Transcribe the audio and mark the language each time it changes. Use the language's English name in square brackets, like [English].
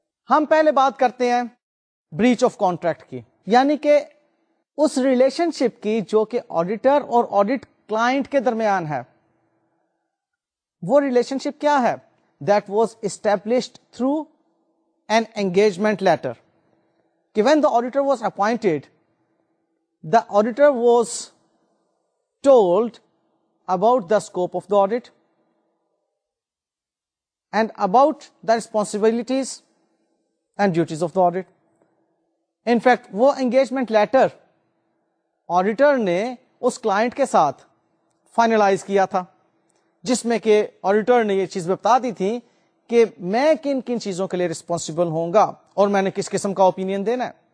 [Urdu] ہم پہلے بات کرتے ہیں بریچ آف کانٹریکٹ کی, یعنی کہ اس ریلیشن شپ کی جو کہ آڈیٹر اور آڈیٹ کلائنٹ کے درمیان ہے. وہ ریلیشن شپ کیا ہے؟ [English] That was established through an engagement letter. کہ when the auditor was appointed, the auditor was told about the scope of the audit and about the responsibilities and duties of the audit. [Urdu] In fact وہ engagement letter auditor نے اس client کے ساتھ finalise کیا تھا, جس میں کہ auditor نے یہ چیز بتا دی تھی کہ میں کن کن چیزوں کے لیے ریسپانسیبل ہوں گا اور میں نے کس قسم کا اوپینین دینا ہے.